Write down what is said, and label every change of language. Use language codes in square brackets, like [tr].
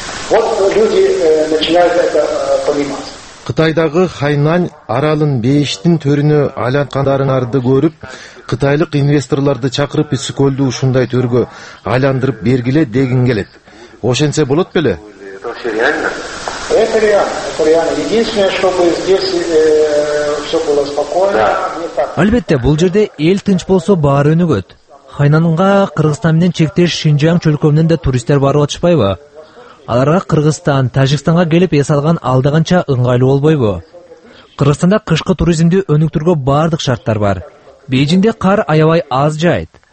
[ru] Вот люди начинают это понимать. [ky] Кытайдагы Хайнань аралын бейиштин төрүнө айланкандарынарды көрүп, кытайлык инвесторлорду чакырып, Иссык-Көлдү ушундай төргө айландырып бергиле деген келет. Ошентсе болот беле? [ru] Это все реально? Это реально, это реально. Единственное, чтобы здесь все было спокойно. [ky] Албетте, бул жерде эл тынч болсо баары өнүгөт. Хайнаньга Кыргызстан менен чектеш Шинжаң чөлкөмүнөн да туристтер барып атышпайбы? Аларга Кыргызстан, Тажикстанга келип эс алган алдыганча ыңгайлуу болбойбу? Кыргызстанда кышкы туризмди өнүктүргө бардык шарттар бар. Бейжинде кар аябай аз жайт.